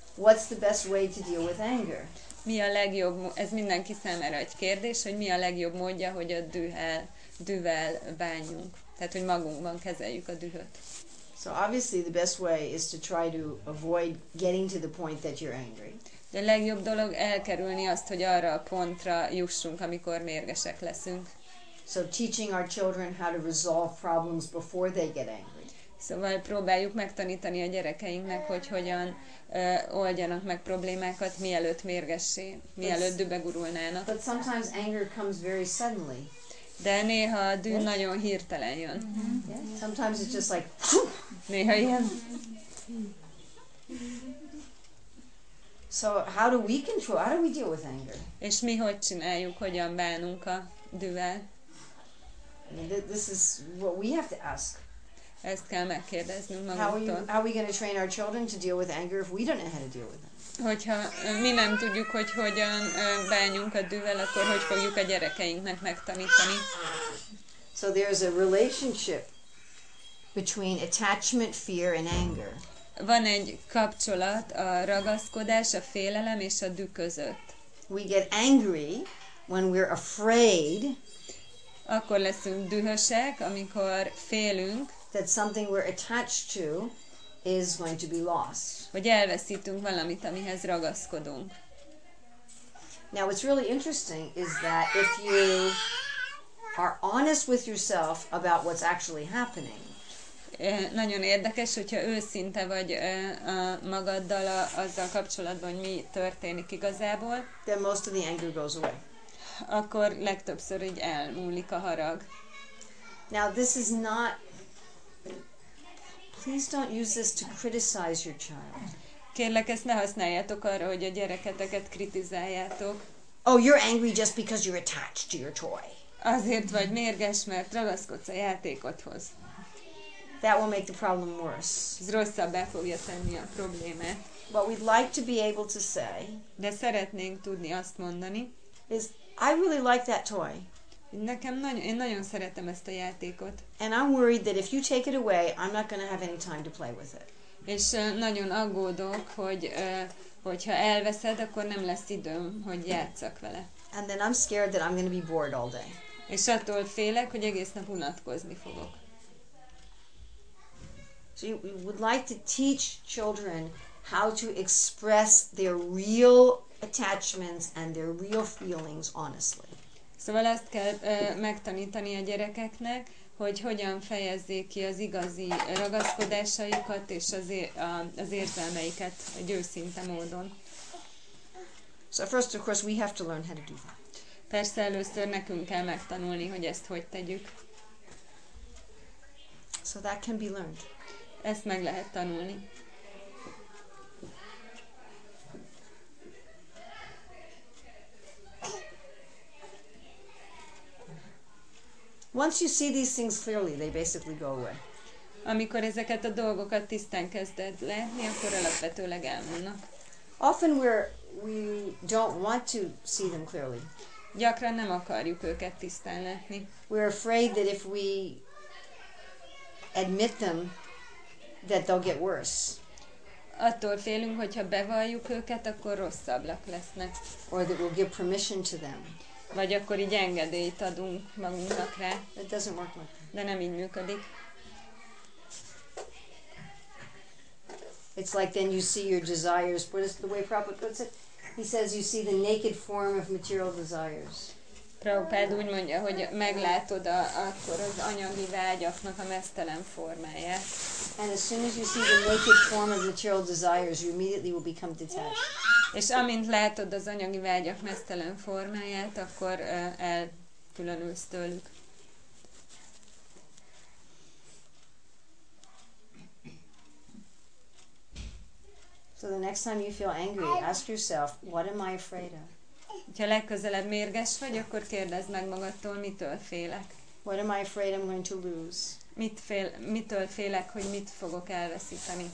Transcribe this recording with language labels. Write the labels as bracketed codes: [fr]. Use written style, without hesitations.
[en] What's the best way to deal with anger? [hu] Mi a legjobb, ez mindenki számára egy kérdés, hogy mi a legjobb módja, hogy a dühvel bánjunk. Tehát, hogy magunkban kezeljük a dühöt. [en] So obviously the best way is to try to avoid getting to the point that you're angry. [hu] De a legjobb dolog elkerülni azt, hogy arra a pontra jussunk, amikor mérgesek leszünk. [en] So teaching our children how to resolve problems before they get angry. [hu] Szóval próbáljuk megtanítani a gyerekeinknek, hogy hogyan oldjanak meg problémákat, mielőtt mérgessé, mielőtt dübegurulnának. [en] But sometimes anger comes very suddenly. [hu] De néha a düh nagyon hirtelen jön. [en] Yeah. Sometimes it's just like... [hu] Néha ilyen. [en] So how do we control, how do we deal with anger? [hu] És mi hogy csináljuk, hogyan bánunk a dühvel? [en] This is what we have to ask. [hu] Ezt kell megkérdeznünk magunktól. [en] How are we going to train our children to deal with anger if we don't know how to deal with it? [hu] Hogyha mi nem tudjuk, hogy hogyan bánjunk a dühvel, akkor hogy fogjuk a gyerekeinknek megtanítani? [en] So there is a relationship between attachment, fear and anger. [hu] Van egy kapcsolat a ragaszkodás, a félelem és a düh között. [en] We get angry when we're afraid. [hu] Akkor leszünk dühösek, amikor félünk. [en] That something we're attached to is going to be lost. [hu] Hogy elveszítünk valamit, amihez ragaszkodunk. [en] Now what's really interesting is that if you are honest with yourself about what's actually happening. [hu] Nagyon érdekes, hogyha őszinte vagy magaddal azzal kapcsolatban, hogy mi történik igazából. [en] Then most of the anger goes away. [hu] Akkor legtöbbször így elmúlik a harag. [en] Now this is not. Please don't use this to criticize your child. [hu] Kérlek, ezt ne használjátok arra, hogy a gyereketeket kritizáljátok. [en] Oh, you're angry just because you're attached to your toy. [hu] Azért vagy mérges, mert ragaszkodsz a játékodhoz. [en] That will make the problem worse. [hu] Ez rosszabbá fogja tenni a problémát. [en] What we'd like to be able to say. [hu] De szeretnénk tudni azt mondani. [en] Is I really like that toy. [hu] Nekem én nagyon szeretem ezt a játékot. [en] And I'm worried that if you take it away, I'm not going to have any time to play with it. [hu] És nagyon aggódok, hogyha elveszed, akkor nem lesz időm, hogy játszak vele. [en] And then I'm scared that I'm going to be bored all day. [hu] És attól félek, hogy egész nap unatkozni fogok. [en] So we would like to teach children how to express their real attachments and their real feelings honestly. [hu] Szóval azt kell megtanítani a gyerekeknek, hogy hogyan fejezzék ki az igazi ragaszkodásaikat és az érzelmeiket egy őszinte módon. [en] So first of course we have to learn how to do that. [hu] Persze először nekünk kell megtanulni, hogy ezt hogy tegyük. [en] So that can be learned. [hu] Ezt meg lehet tanulni. [en] Once you see these things clearly, they basically go away. [hu] Amikor ezeket a dolgokat tisztán kezded látni, akkor alapvetőleg elmúlnak. [en] Often we don't want to see them clearly. [hu] Gyakran nem akarjuk őket tisztán látni. [en] We're afraid that if we admit them, that they'll get worse. [hu] Attól félünk, hogyha bevalljuk őket, akkor rosszabbak lesznek. [en] Or that we'll give permission to them. [hu] Vagy akkor így engedélyt adunk magunknak rá. [en] It doesn't work like that. [hu] De nem így működik. [en] It's like then you see your desires. What is the way Prabhupada puts it? He says you see the naked form of material desires. [hu] Prabhupada úgy mondja, hogy meglátod akkor az anyagi vágyaknak a mesztelen formáját. [en] And as soon as you see the naked form of material desires, you immediately will become detached. [hu] És amint látod az anyagi vágyak mesztelen formáját, akkor elkülönülsz tőlük. [en] So the next time you feel angry, ask yourself, what am I afraid of? [hu] Ha legközelebb mérges vagy, akkor kérdezd meg magadtól, mitől félek. [en] What am I afraid I'm going to lose? [hu] Mitől félek, hogy mit fogok elveszíteni?